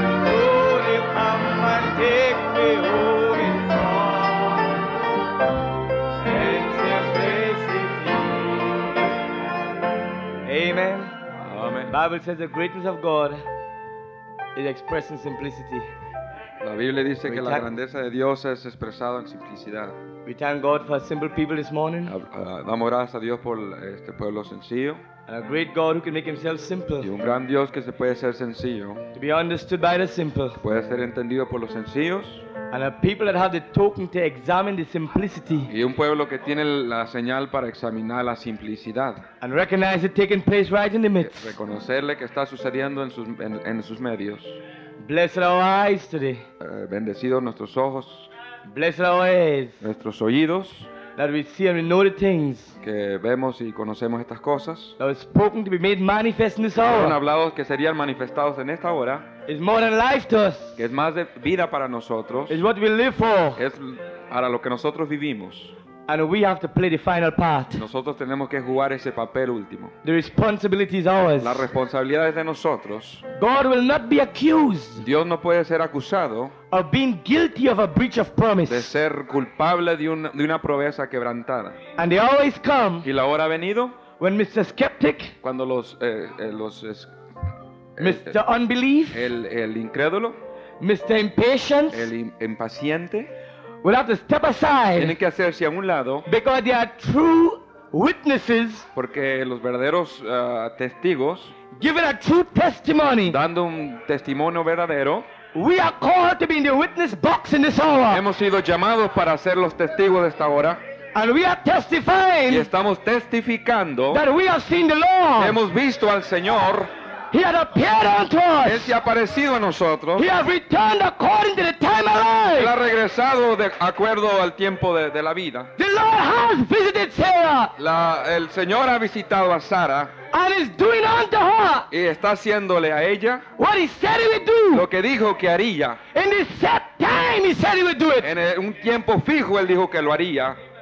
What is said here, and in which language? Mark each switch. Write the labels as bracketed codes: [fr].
[en] Oh, he'll come and take me home in simplicity. Amen. Bible says the greatness of God is expressed in simplicity. [es] La Biblia dice que la grandeza de Dios es expresada en simplicidad. [en] We thank God for simple people this morning. [es] Damos gracias a Dios por este pueblo sencillo. [en] And a great God who can make himself simple. [es] Y un gran Dios que se puede ser sencillo. [en] To be understood by the simple. [es] Puede ser entendido por los sencillos. [en] And a people that have the token to examine the simplicity. [es] Y un pueblo que tiene la señal para examinar la simplicidad. [en] And recognize it taking place right in the midst. [es] Reconocerle que está sucediendo en sus sus medios. [en] Blessed our eyes today. [es] Bendecidos nuestros ojos. [en] Blessed our ears. [es] Nuestros oídos. [en] That we see and we know the things. [es] Que vemos y conocemos estas cosas. [en] That was spoken to be made manifest in this hour. [es] Son hablados que serían manifestados en esta hora. [en] It's more than life to us. [es] Que es más de vida para nosotros. [en] It's what we live for. [es] Es para lo que nosotros vivimos. [en] And we have to play the final part. [es] Nosotros tenemos que jugar ese papel último. [en] The responsibility is ours. [es] La responsabilidad es de nosotros. [en] God will not be accused. [es] Dios no puede ser acusado. [en] Of being guilty of a breach of promise. [es] De ser culpable de una promesa quebrantada. [en] And they always come. [es] Y la hora ha venido. [en] When Mr. Skeptic. [es] Cuando los [en] Mr. Unbelief. [es] El incrédulo. [en] Mr. Impatient. [es] El impaciente. [en] We'll have to step aside. [es] Tienen que hacerse a un lado. [en] Because they are true witnesses. [es] Porque los verdaderos testigos. [en] Giving a true testimony. [es] Dando un testimonio verdadero. [en] We are called to be in the witness box in this hour. [es] Hemos sido llamados para ser los testigos de esta hora. [en] And we are testifying. [es] Y estamos testificando. [en] That we have seen the Lord. [es] Hemos visto al Señor. [en] He had appeared unto us. [es] Él se ha aparecido a nosotros. [en] He has returned according to the time of life. [es] Él ha regresado de acuerdo al tiempo de la vida. [en] The Lord has visited Sarah. [es] El Señor ha visitado a Sara. [en] And is doing unto her. [es] Y está haciéndole a ella. [en] What he said he would do. [es] Lo que dijo que haría. [en] In the set time he said he would do it. [es] En un tiempo fijo él dijo que lo haría.